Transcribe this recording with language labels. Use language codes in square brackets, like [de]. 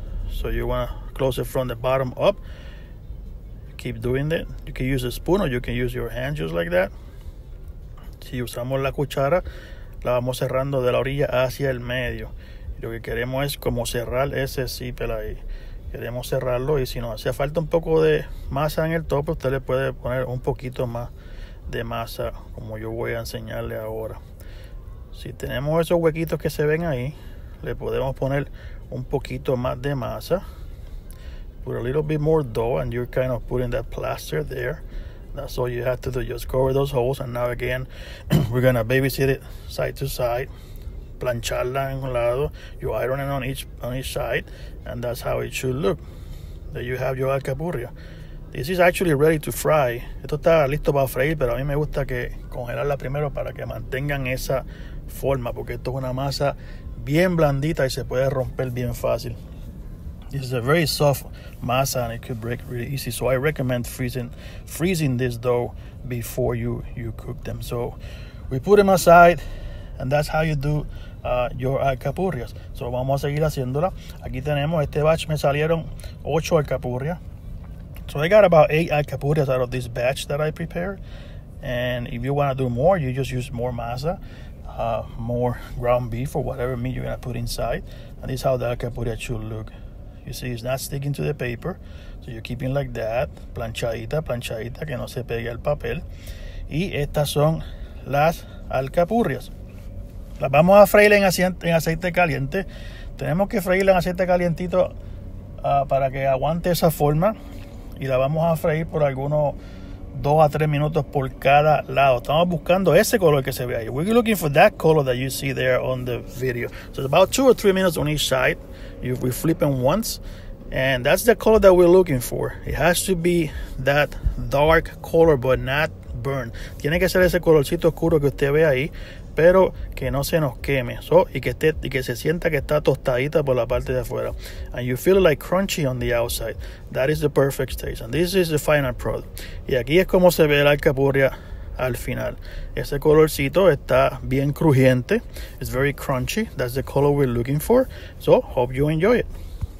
[en] So you want to close it from the bottom up. Keep doing that. You can use a spoon or you can use your hand just like that. [es] Si usamos la cuchara, la vamos cerrando de la orilla hacia el medio. Lo que queremos es como cerrar ese zipper ahí. Queremos cerrarlo y si nos hace falta un poco de masa en el top, usted le puede poner un poquito más de masa, como yo voy a enseñarle ahora. Si tenemos esos huequitos que se ven ahí, le podemos poner un poquito más de masa. [en] Put a little bit more dough and you're kind of putting that plaster there. That's all you have to do, just cover those holes. And now again, we're gonna babysit it side to side. [es] Plancharla en un lado, [en] you iron it on each side, and that's how it should look. There you have your alcapurria. This is actually ready to fry. [es] Esto está listo para freír, pero a mí me gusta que congelarla primero para que mantengan esa forma, porque esto es una masa bien blandita y se puede romper bien fácil. [en] This is a very soft masa and it could break really easy. So I recommend freezing this dough before you cook them. So we put them aside. And that's how you do your alcapurrias. [es] So vamos a seguir haciéndola. Aquí tenemos, este batch me salieron 8 alcapurrias. [en] So I got about 8 alcapurrias out of this batch that I prepared. And if you want to do more, you just use more masa, more ground beef or whatever meat you're going to put inside. And this is how the alcapurria should look. You see, it's not sticking to the paper. So you're keeping like that, [es] planchadita, que no se pegue al papel. Y estas son las alcapurrias. Las vamos a freír en aceite caliente. Tenemos que freírla en aceite calientito para que aguante esa forma. Y la vamos a freír por algunos 2 a 3 minutos por cada lado. Estamos buscando ese color que se ve ahí. [en] We're looking for that color that you see there on the video. So it's about 2 or 3 minutes on each side. We flip them once. And that's the color that we're looking for. It has to be that dark color, but not burn. [es] Tiene que ser ese colorcito oscuro que usted ve ahí, pero que no se nos queme. So, y que se sienta que está tostadita por la parte de afuera. [en] And you feel like crunchy on the outside. That is the perfect taste. And this is the final product. [es] Y aquí es como se ve la alcapurria al final. Ese colorcito está bien crujiente. [en] It's very crunchy. That's the color we're looking for. So, hope you enjoy it.